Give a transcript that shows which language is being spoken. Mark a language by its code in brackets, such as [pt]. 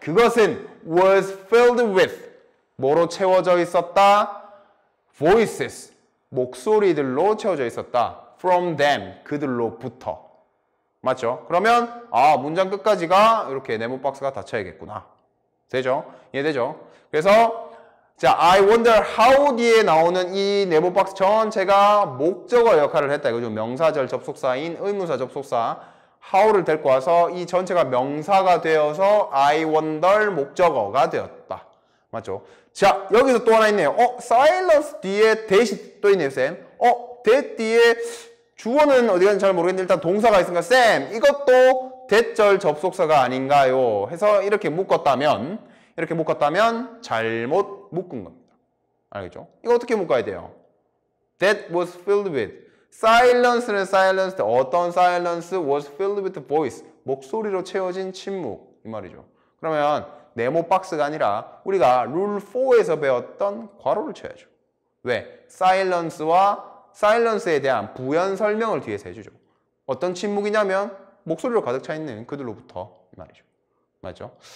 [ko] 그것은 [en] was filled with. [ko] 뭐로 채워져 있었다? Voices. 목소리들로 채워져 있었다. [en] From them. [ko] 그들로부터. 맞죠? 그러면 아, 문장 끝까지가 이렇게 네모 박스가 닫혀야겠구나. 되죠? 이해되죠? 그래서 자, I wonder how 뒤에 나오는 이 네모 박스 전체가 목적어 역할을 했다. 이거죠. 명사절 접속사인 의문사 접속사 how를 데리고 와서 이 전체가 명사가 되어서 I wonder 목적어가 되었다. 맞죠? 자, 여기서 또 하나 있네요. 어, silence 뒤에 that이 또 있네요, 쌤. 어, that 뒤에 주어는 어디 갔는지 잘 모르겠는데 일단 동사가 있으니까 쌤, 이것도 that절 접속사가 아닌가요? 해서 이렇게 묶었다면 이렇게 묶었다면 잘못 묶은 겁니다. 알겠죠? 이거 어떻게 묶어야 돼요? [en] That was filled with. Silence는 silence. 어떤 silence was filled with voice. [ko] 목소리로 채워진 침묵. 이 말이죠. 그러면 네모 박스가 아니라 우리가 rule 4에서 배웠던 괄호를 쳐야죠. 왜? Silence와 silence에 대한 부연 설명을 뒤에서 해주죠. 어떤 침묵이냐면 목소리로 가득 차있는 그들로부터. 이 말이죠. 맞죠?